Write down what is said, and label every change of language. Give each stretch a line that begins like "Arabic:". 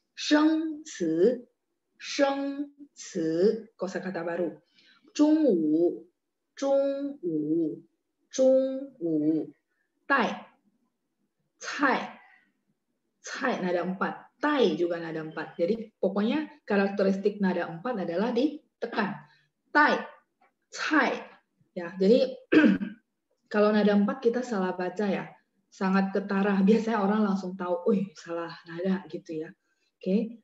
Chinese: 生词, 生词,
Indonesian: kosakata baru.
Chinese: 中午, 中午, 中午, 带, 菜, 菜,
Indonesian: nada 4. Tai juga nada empat. Jadi pokoknya karakteristik nada empat adalah ditekan. Tai, cai. Ya, jadi kalau nada empat kita salah baca ya, sangat ketara. Biasanya orang langsung tahu, wih salah nada gitu ya. Oke, okay.